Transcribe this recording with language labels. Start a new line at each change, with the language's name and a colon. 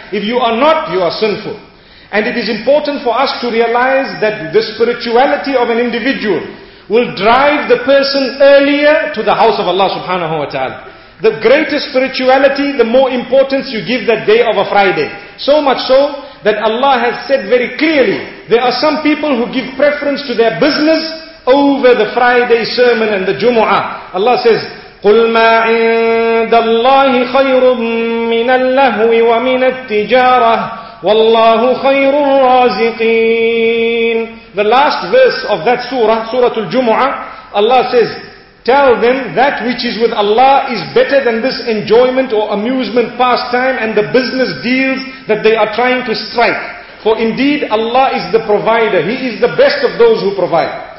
English: If you are not, you are sinful. And it is important for us to realize that the spirituality of an individual will drive the person earlier to the house of Allah subhanahu wa ta'ala. The greater spirituality, the more importance you give that day of a Friday. So much so that Allah has said very clearly, there are some people who give preference to their business over the Friday sermon and the Jumu'ah. Allah says,
Arabic: قُلْ مَا عِنْدَ اللَّهِ خَيْرٌ مِّنَ اللَّهْوِ وَمِنَ التِّجَارَةِ وَاللَّهُ خَيْرُ الرَّازِقِينَ.
English: The last verse of that surah, Surah Al-Jumu'ah, Allah says, tell them that which is with Allah is better than this enjoyment or amusement pastime and the business deals that they are trying to strike. For indeed Allah is the provider. He is the best of those who provide.